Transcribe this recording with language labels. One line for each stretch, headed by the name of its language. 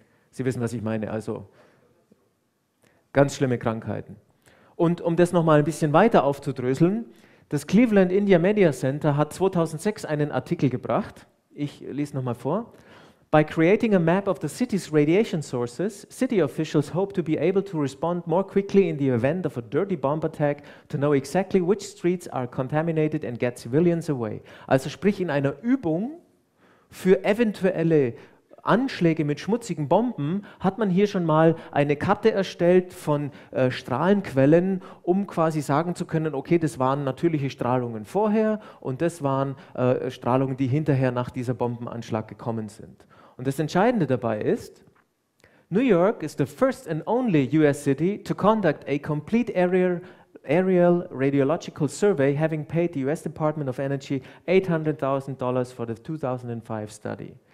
German: Sie wissen, was ich meine. Also, ganz schlimme Krankheiten. Und um das nochmal ein bisschen weiter aufzudröseln, das Cleveland India Media Center hat 2006 einen Artikel gebracht. Ich lese nochmal vor.
English: By creating a map of the city's radiation sources, city officials hope to be able to respond more quickly in the event of a dirty bomb attack to know exactly which streets are contaminated and get civilians away.
German: Also sprich in einer Übung für eventuelle Anschläge mit schmutzigen Bomben hat man hier schon mal eine Karte erstellt von Strahlenquellen, um quasi sagen zu können, okay, das waren natürliche Strahlungen vorher und das waren Strahlungen, die hinterher nach dieser Bombenanschlag gekommen sind. Und das Entscheidende dabei ist,
English: New York is the first and only US city to conduct a complete aerial radiological survey, having paid the US Department of Energy $800,000 for the 2005 study.